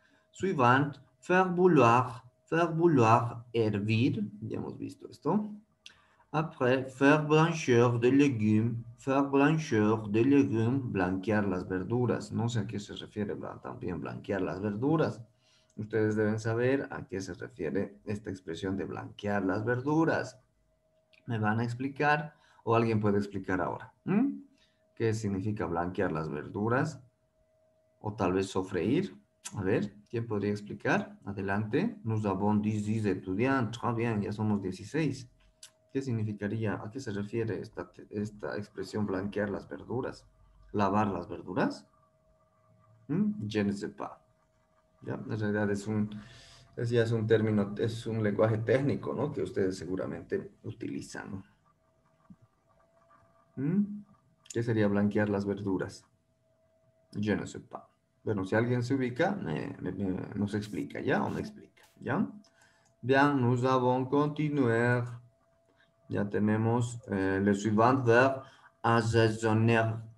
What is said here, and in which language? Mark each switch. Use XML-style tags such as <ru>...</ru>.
<es>Suivant,</es> <fr>faire bouloir,</fr> <es>hervir, ya hemos visto esto.</es> <fr>Après, faire blancheur de légumes,</fr> <es>blanquear las verduras. No sé a qué se refiere también blanquear las verduras. Ustedes deben saber a qué se refiere esta expresión de blanquear las verduras. ¿Me van a explicar? ¿O alguien puede explicar ahora? ¿Qué significa blanquear las verduras? ¿O tal vez sofreír? A ver, ¿quién podría explicar? Adelante.</es> <fr>Nous avons 10 étudiants. Très bien,</fr> <es>ya somos 16. ¿Qué significaría? ¿A qué se refiere esta expresión blanquear las verduras? ¿Lavar las verduras?</es> <fr>Je ne sais pas.</fr> <es>Ya, en realidad es un término, es un lenguaje técnico, ¿no? Que ustedes seguramente utilizan. ¿Qué sería blanquear las verduras?</es> <fr>Je ne sais pas.</fr> <es>Bueno, si alguien se ubica, nos explica, ¿ya? O me explica, ¿ya?</es> <fr>Bien, nous avons continuer.</fr> <es>Ya tenemos</es> <fr>le suivant verbe, asaisonner.</fr>